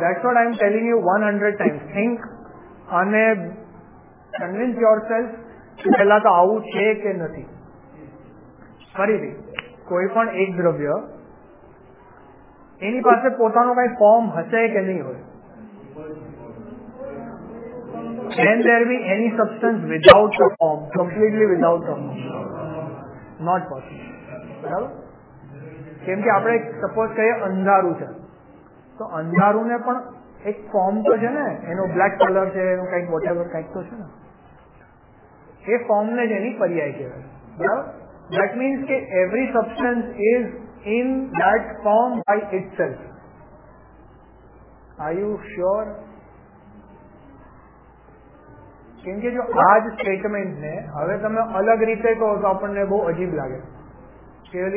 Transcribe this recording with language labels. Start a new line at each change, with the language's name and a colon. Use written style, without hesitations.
English: That's what I am telling you 100 times. Think and convince yourself that it is out or not.
Gujarati: Sorry, કોઈ પણ એક દ્રવ્ય એની પાસે પોતાનો કઈ ફોર્મ હશે કે નહીં હોય, can there B any substance without the form, completely without the form? Not possible. બરાબર. કેમ કે આપણે સપોઝ કહીએ અંધારું છે, તો અંધારું ને પણ એક ફોર્મ તો છે ને, એનો બ્લેક કલર છે, એનું કઈક વોટએવર કઈક તો છે ને, એ ફોર્મ ને જ એની પર્યાય કહેવાય. બરાબર.
English: That means that every substance is in that form by itself. Are you sure? Because in today's statement, if you say it in a different way, it will be very strange.